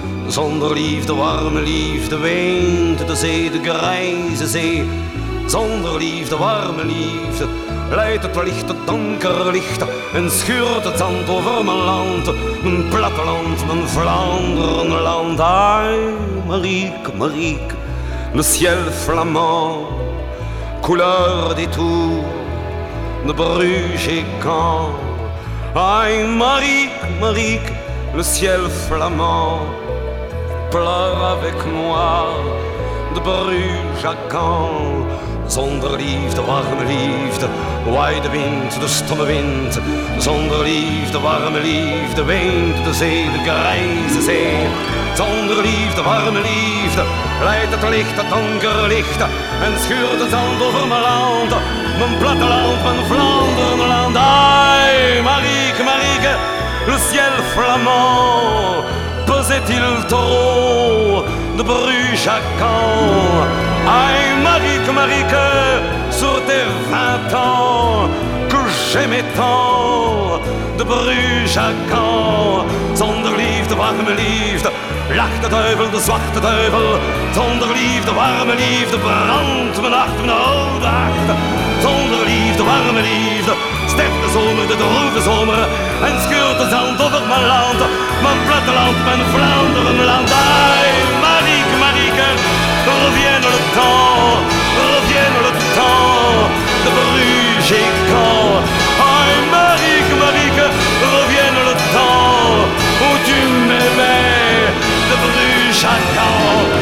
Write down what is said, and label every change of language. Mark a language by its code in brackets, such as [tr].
[nl] Zonder liefde, warme liefde, weent de zee, de grijze zee. Zonder liefde, warme liefde, leidt het licht, het donker licht. En schuurt het zand over mijn land, mijn platteland, mijn Vlaanderen land. [fr] Ai, Marieke, Marieke, le ciel flamand, couleur des tours, de Bruges et Gand. Ai, Marieke, Marieke, le ciel flamand. Pleure avec moi de Bruges à Gand. [nl] Zonder liefde, warme liefde, waait de wind, de stomme wind. Zonder liefde, warme liefde, weent de zee, de grijze zee. Zonder liefde, warme liefde, leidt het licht, het donker licht. En schuurt het zand over mijn land, mijn platteland, mijn Vlaanderenland. [fr] Ai, Marieke, Marieke, le ciel flamand. Pesait-il trop de Bruges à Caen? Aïe, Marieke, Marieke, sur tes 20 ans, que j'aimais tant de Bruges à Caen. [nl] Zonder liefde, warme liefde, lacht de duivel, de zwarte duivel. Zonder liefde, warme liefde, brandt mijn hart, mijn oude hart. Zonder liefde, warme liefde, sterft de zomer, de droeve zomer. En scheurt de zand over mijn land, mijn platteland, mijn Vlaanderenland. [fr] Ai, Marieke, Marieke, revient le temps, revient le temps de Bruges et Caen. Ai, Marieke, Marieke, revient le temps où tu m'aimais de Bruges à Caen.